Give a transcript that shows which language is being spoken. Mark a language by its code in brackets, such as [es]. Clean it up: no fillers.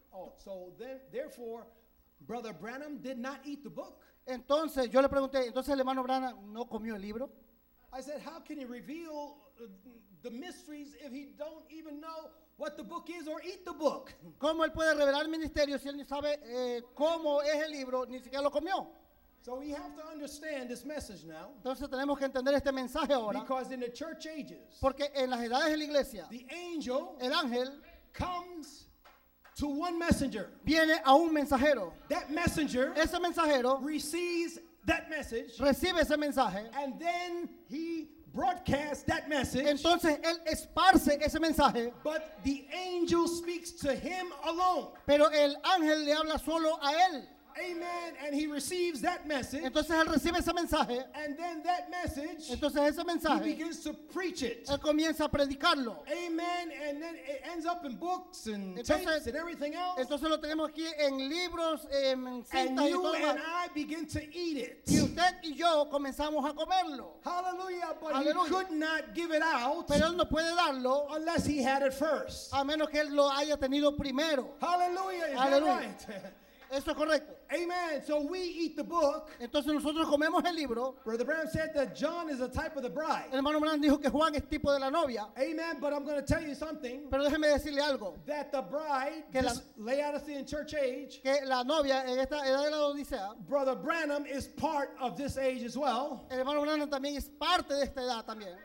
[en] Oh, so then, therefore, Brother Branham did not eat the book. [es] Entonces yo le pregunté. Entonces el hermano Branham no comió el libro. [en] I said, how can he reveal the mysteries if he don't even know what the book is or eat the book? [es] ¿Cómo él puede revelar el ministerio si él ni sabe cómo es el libro ni siquiera lo comió? [en] So we have to understand this message now. [es] Entonces tenemos que entender este mensaje ahora. [en] Because in the church ages. [es] Porque en las edades de la iglesia. [en] The angel. [es] El ángel. [en] Comes to one messenger. [es] Viene a un mensajero. [en] That messenger. [es] Ese mensajero. [en] Receives that message. [es] Recibe ese mensaje. [en] And then he broadcasts that message. [es] Entonces él esparce ese mensaje. [en] But the angel speaks to him alone. [es] Pero el ángel le habla solo a él. [en] Amen. And he receives that message. [es] Entonces él recibe ese mensaje. [en] And then that message. [es] Entonces ese mensaje. [en] He begins to preach it. [es] Él comienza a predicarlo. [en] Amen. And then it ends up in books and entonces, tapes and everything else. [es] Entonces lo tenemos aquí en libros, en cintas y todo. [en] And you and I begin to eat it. [es] Y usted y yo comenzamos a comerlo. [en] Hallelujah. But Hallelujah. He could not give it out. [es] Pero él no puede darlo. [en] Unless he had it first. [es] A menos que él lo haya tenido primero. [en] Hallelujah. Hallelujah. Right? [es] Eso es correcto. [en] Amen. So we eat the book. [es] Entonces nosotros comemos el libro. [en] Brother Branham said that John is a type of the bride. [es] El hermano Branham dijo que Juan es tipo de la novia. [en] Amen. But I'm going to tell you something. [es] Pero déjeme decirle algo. [en] That the bride, [es] que [en] la, Laodicea in church age. [es] Que la novia en esta edad de la Odisea. [en] Brother Branham is part of this age as well. [es] El hermano Branham también es parte de esta edad también.